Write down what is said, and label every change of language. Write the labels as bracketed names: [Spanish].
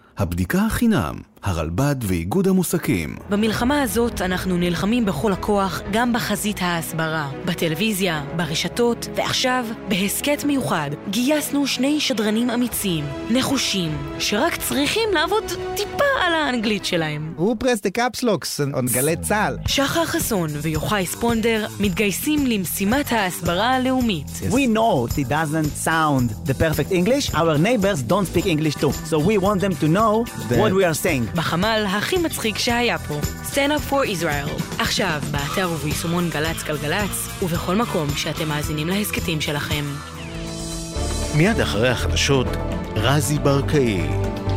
[Hebrew] הבדיקה החינם, הרלבד ואיגוד המוסקים. במלחמה הזאת אנחנו נלחמים בכל הכוח, גם בחזית ההסברה, בטלוויזיה, ברשתות, ועכשיו בהסקט מיוחד גייסנו שני שדרנים אמיצים, נחושים, שרק צריכים לעבוד טיפה על האנגלית שלהם. [English] Who pressed the caps locks on גלי צהל? [Hebrew] שחר חסון ויוחאי ספונדר מתגייסים למשימת ההסברה הלאומית. [English] Yes. We know it doesn't sound the perfect English. Our neighbors don't speak English too. So we want them to know what we are saying. [Hebrew] בחמל הכי מצחיק שהיה פה. [English] Stand up for Israel. [Hebrew] עכשיו, באתר וביישומון גלץ גלגלץ, ובכל מקום שאתם מאזינים להסקטים שלכם. מיד אחרי החדשות, רזי ברקאי.